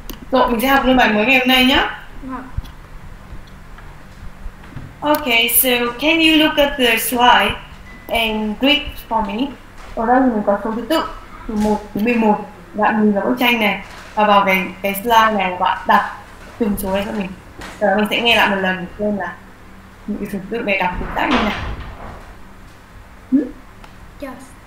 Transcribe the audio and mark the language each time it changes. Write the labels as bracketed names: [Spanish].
[Vietnamese] Rồi, mình sẽ học luôn bài mới ngày hôm nay nhé. [English] Okay, so can you look at the slide and read for me? [Vietnamese] Ở đây mình có số thứ tự từ 1 đến 11. Bạn nhìn vào bức tranh này và vào cái slide này bạn đọc từng số này cho mình. Rồi mình sẽ nghe lại một lần xem là những cái số thứ tự này đọc được tách như nào. [English] Yes.